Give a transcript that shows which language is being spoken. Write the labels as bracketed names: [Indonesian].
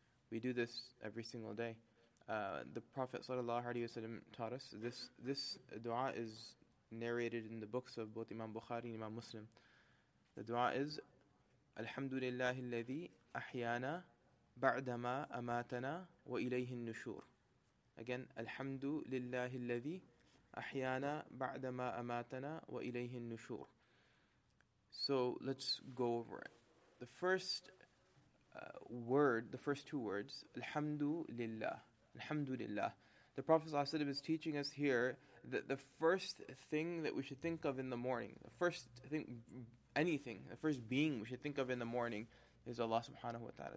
[English] We do this every single day. The Prophet sallallahu alaihi wasallam taught us this dua is narrated in the books of both Imam Bukhari and Imam Muslim. The dua is [Arabic] Alhamdulillahi alladhi ahyana بعدما أماتنا وإليه النشور. Again, الحمد لله الذي أحيانا بعدما أماتنا وإليه النشور. [English] So let's go over it. The first word, the first two words, [Arabic] الحمد لله. الحمد لله. [English] The Prophet صلى الله عليه وسلم is teaching us here that the first thing that we should think of in the morning, the first thing, anything, the first being we should think of in the morning is Allah subhanahu wa ta'ala.